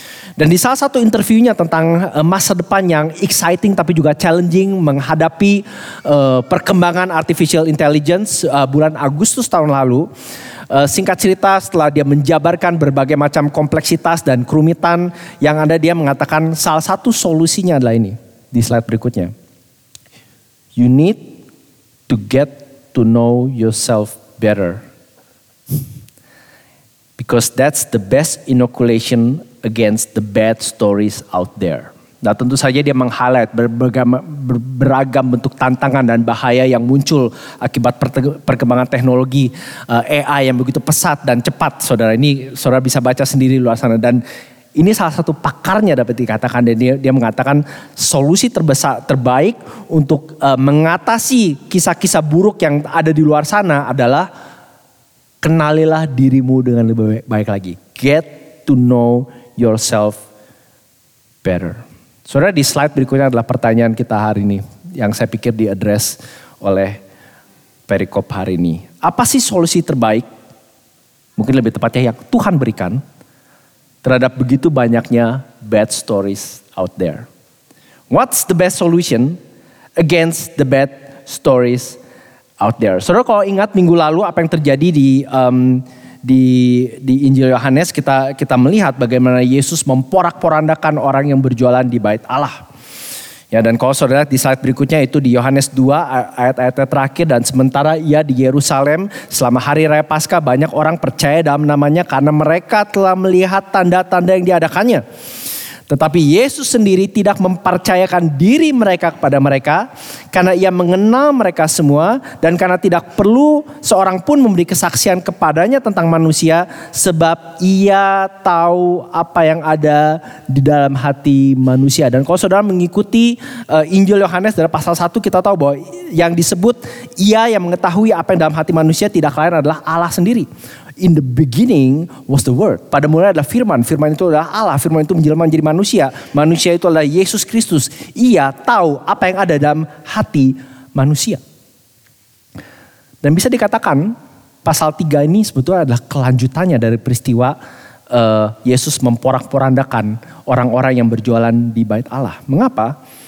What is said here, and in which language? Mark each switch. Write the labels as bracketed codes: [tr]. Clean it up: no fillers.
[id] Dan di salah satu interviewnya tentang masa depan yang exciting tapi juga challenging menghadapi perkembangan artificial intelligence bulan Agustus tahun lalu. Singkat cerita, setelah dia menjabarkan berbagai macam kompleksitas dan kerumitan yang ada, dia mengatakan salah satu solusinya adalah ini. Di slide berikutnya. [en] "You need to get to know yourself better. Because that's the best inoculation against the bad stories out there." [id] Nah, tentu saja dia meng-highlight beragam bentuk tantangan dan bahaya yang muncul akibat perkembangan teknologi AI yang begitu pesat dan cepat, saudara. Ini saudara bisa baca sendiri luar sana. Dan ini salah satu pakarnya dapat dikatakan, dan dia mengatakan solusi terbaik untuk mengatasi kisah-kisah buruk yang ada di luar sana adalah kenalilah dirimu dengan lebih baik lagi. [en] Get to know yourself better. [id] Saudara, di slide berikutnya adalah pertanyaan kita hari ini yang saya pikir diadres oleh perikop hari ini. Apa sih solusi terbaik, mungkin lebih tepatnya yang Tuhan berikan terhadap begitu banyaknya [en] bad stories out there? What's the best solution against the bad stories out there? [id] Saudara, kalau ingat minggu lalu apa yang terjadi di Injil Yohanes, kita melihat bagaimana Yesus memporak-porandakan orang yang berjualan di Bait Allah. Ya, dan kalau saudara di slide berikutnya itu di Yohanes 2 ayat-ayat terakhir, dan sementara ia di Yerusalem selama hari Raya Paskah, banyak orang percaya dalam namanya karena mereka telah melihat tanda-tanda yang diadakannya. Tetapi Yesus sendiri tidak mempercayakan diri mereka kepada mereka karena ia mengenal mereka semua dan karena tidak perlu seorang pun memberi kesaksian kepadanya tentang manusia sebab ia tahu apa yang ada di dalam hati manusia. Dan kalau saudara mengikuti Injil Yohanes dari pasal 1 kita tahu bahwa yang disebut ia yang mengetahui apa yang dalam hati manusia tidak lain adalah Allah sendiri. [en] In the beginning was the word. [id] Pada mulanya adalah firman. Firman itu adalah Allah. Firman itu menjelma menjadi manusia. Manusia itu adalah Yesus Kristus. Ia tahu apa yang ada dalam hati manusia. Dan bisa dikatakan pasal 3 ini sebetulnya adalah kelanjutannya dari peristiwa Yesus memporak-porandakan orang-orang yang berjualan di Bait Allah. Mengapa?